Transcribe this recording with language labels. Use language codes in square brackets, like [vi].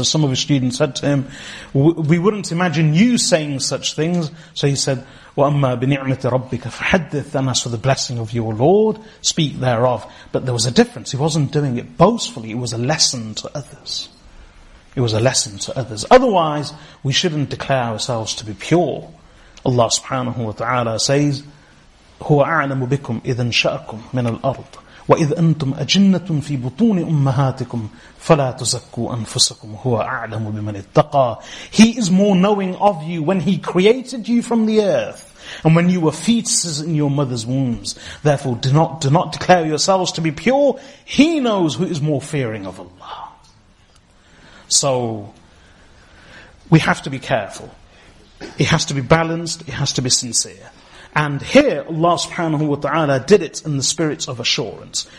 [en] So some of his students said to him, we wouldn't imagine you saying such things. So he said, [ar] وَأَمَّا بِنِعْمَةِ رَبِّكَ فَحَدِّثْ, [en] and as for the blessing of your Lord, speak thereof. But there was a difference. He wasn't doing it boastfully. It was a lesson to others. It was a lesson to others. Otherwise, we shouldn't declare ourselves to be pure. [ar] Allah subhanahu wa ta'ala says, هُوَ أَعْلَمُ بِكُمْ إِذَنْ شَأَكُمْ مِنَ الْأَرْضِ وَإِذْ أَنْتُمْ أَجِنَّةٌ فِي بُطُونِ أُمَّهَاتِكُمْ فَلَا تُزَكُّوا أَنفُسَكُمْ هُوَ أَعْلَمُ بِمَنِ اتَّقَى. [en] He is more knowing of you when he created you from the earth, And when you were fetuses in your mother's wombs, therefore do not declare yourselves to be pure. He knows who is more fearing of Allah. So, we have to be careful. It has to be balanced, it has to be sincere. And here, Allah subhanahu wa ta'ala did it in the spirit of assurance.